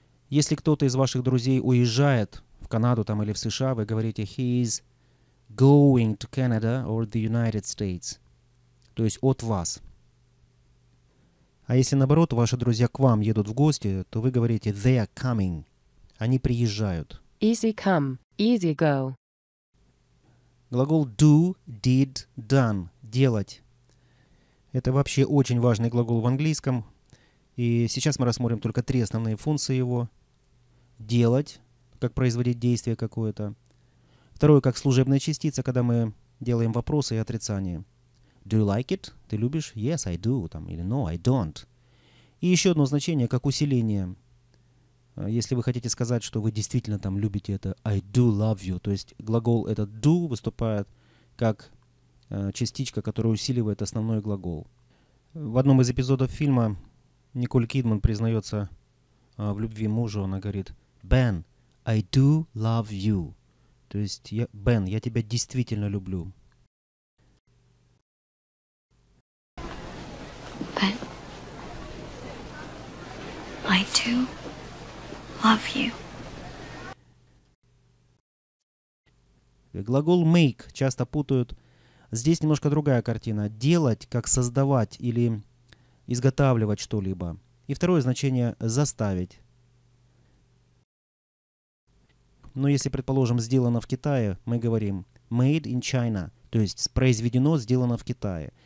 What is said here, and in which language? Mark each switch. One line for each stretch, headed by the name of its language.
Russian: Если кто-то из ваших друзей уезжает в Канаду там, или в США, вы говорите
English: «He is going to Canada or the United States».
Russian: То есть от вас. А если наоборот, ваши друзья к вам едут в гости, то вы говорите
English: they are coming.
Russian: Они приезжают.
English: Easy come, easy go.
Russian: Глагол do, did, done. Делать. Это вообще очень важный глагол в английском. И сейчас мы рассмотрим только три основные функции его. Делать, как производить действие какое-то. Второе, как служебная частица, когда мы делаем вопросы и отрицания.
English: Do you like it?
Russian: Ты любишь?
English: Yes, I do.
Russian: Там, или
English: no, I don't.
Russian: И еще одно значение, как усиление. Если вы хотите сказать, что вы действительно там любите это,
English: I do love you.
Russian: То есть глагол этот do выступает как частичка, которая усиливает основной глагол. В одном из эпизодов фильма Николь Кидман признается в любви мужу. Она говорит,
English: Ben, I do love you.
Russian: То есть, Бен, я тебя действительно люблю.
English: Бен, I do love you.
Russian: Глагол make часто путают. Здесь немножко другая картина. Делать, как создавать или изготавливать что-либо. И второе значение – заставить. Но если, предположим, сделано в Китае, мы говорим
English: made in China,
Russian: то есть произведено, сделано в Китае.